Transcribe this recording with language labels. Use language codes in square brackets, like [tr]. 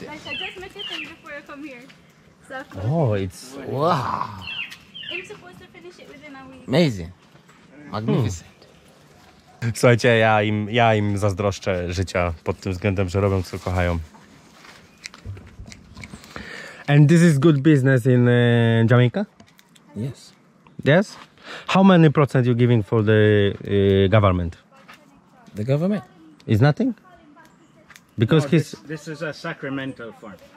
[en] I just met you before I come here. Oh, it's... Wow! I'm supposed to finish it within a week. Amazing. Magnificent. [pl] Słuchajcie, ja im zazdroszczę życia pod tym względem, że robią, co kochają. [en] And this is good business in Jamaica? Yes. Yes? How many percent you giving for the government? The government? Is nothing? Because no, he's... This is a sacramental farm.